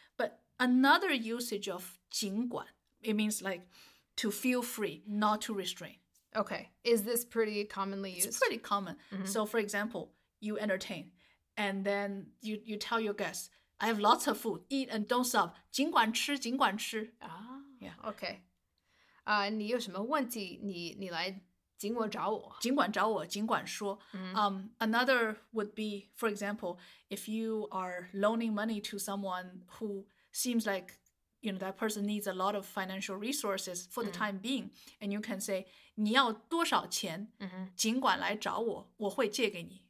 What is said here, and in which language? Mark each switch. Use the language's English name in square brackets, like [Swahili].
[English] But another usage of 尽管, it means like to feel free, not to restrain. Okay. Is this pretty commonly used? It's pretty common. Mm-hmm. So for example, you entertain and then you tell your guests, I have lots of food, eat and don't stop. [Chinese] 尽管吃, 尽管吃. Ah, [English] yeah. Okay. [Chinese] 你有什么问题,你来尽管找我。尽管找我,尽管说. Mm-hmm. [English] Another would be, for example, if you are loaning money to someone who seems like, you know, that person needs a lot of financial resources for the mm-hmm. time being, and you can say, [Chinese] 你要多少钱,尽管来找我,我会借给你。